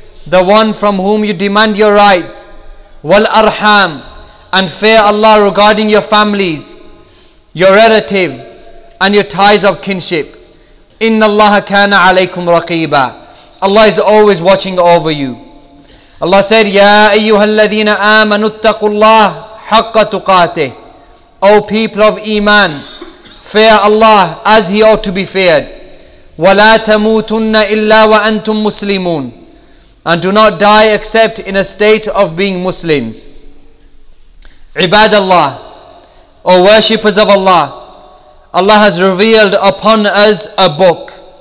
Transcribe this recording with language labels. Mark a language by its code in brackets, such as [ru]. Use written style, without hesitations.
[en] The one from whom you demand your rights. [ar] والأرحام. [en] And fear Allah regarding your families, your relatives, and your ties of kinship. [ar] إِنَّ اللَّهَ كَانَ عَلَيْكُمْ رَقِيبًا. [en] Allah is always watching over you. Allah said, [ar] يَا أَيُّهَا الَّذِينَ آمَنُوا اتَّقُوا اللَّهَ حَقَّ تُقَاتِهِ. [en] O people of Iman, fear Allah as He ought to be feared. [ar] وَلَا تَمُوتُنَّ إِلَّا وَأَنْتُمْ مُسْلِمُونَ. [en] And do not die except in a state of being Muslims. [ar] عباد الله, [en] O worshippers of Allah, Allah has revealed upon us a book.